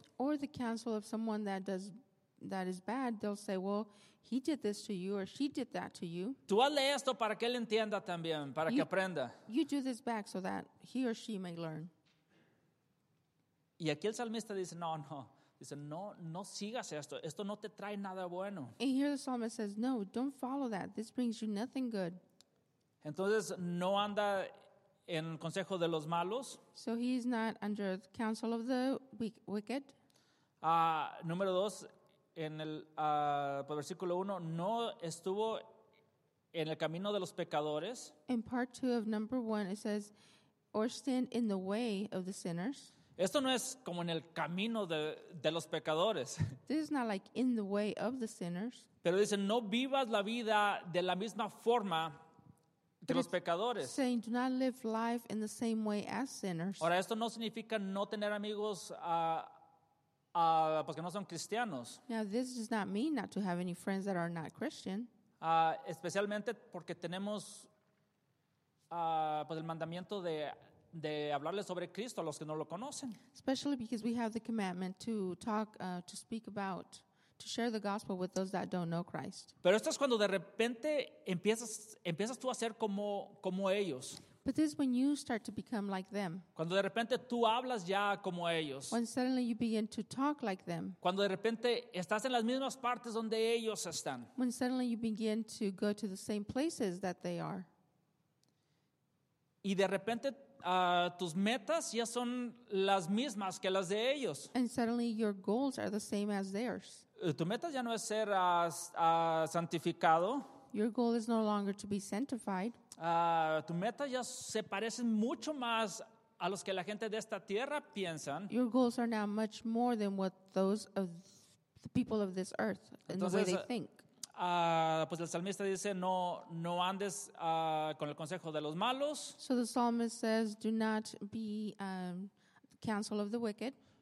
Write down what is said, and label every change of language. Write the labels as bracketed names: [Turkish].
[English] Or the counsel of someone that is bad, they'll say, well, he did this to you or she did that to you. [Spanish] Tú hazle esto para que él entienda también, para que aprenda. [English] You do this back so that he or she may learn. [Spanish] Y aquí el salmista dice, no, no. Dice, no, no sigas esto. Esto no te trae nada bueno. [English] And here the psalmist says, no, don't follow that. This brings you nothing good. [Spanish] Entonces, no anda en el consejo de los malos. [English] So he's not under the counsel of the wicked. [Spanish] Número dos, en el versículo uno, no estuvo en el camino de los pecadores. [English] In part two of number one, it says, or stand in the way of the sinners. [Spanish] Esto no es como en el camino de los pecadores. [English] This is not like in the way of the sinners. [Spanish] Pero dice, no vivas la vida de la misma forma que los pecadores. [English] Saying, do not live life in the same way as sinners. [Spanish] Ahora, esto no significa no tener amigos porque no son cristianos. [English] Now, this does not mean not to have any friends that are not Christian. [Spanish] Especialmente porque tenemos pues el mandamiento de hablarles sobre Cristo a los que no lo conocen. [English] Especially because we have the commandment to talk, to speak about, to share the gospel with those that don't know Christ. [Spanish] Pero esto es cuando de repente empiezas tú a ser como ellos. [English] But this is when you start to become like them. [Spanish] Cuando de repente tú hablas ya como ellos. [English] When suddenly you begin to talk like them. [Spanish] Cuando de repente estás en las mismas partes donde ellos están. [English] When suddenly you begin to go to the same places that they are. [Spanish] Y de repente tus metas ya son las mismas que las de ellos. [English] And suddenly your goals are the same as theirs. [Spanish] Tu meta ya no es ser santificado. [English] Your goal is no longer to be sanctified. [Spanish] Tu meta ya se parece mucho más a los que la gente de esta tierra piensan. [English] Your goals are now much more than what those of the people of this earth and the way they think. [Spanish] Pues el salmista dice, no andes con el consejo de los malos. [English] So the psalmist says, do not be the counsel of the wicked.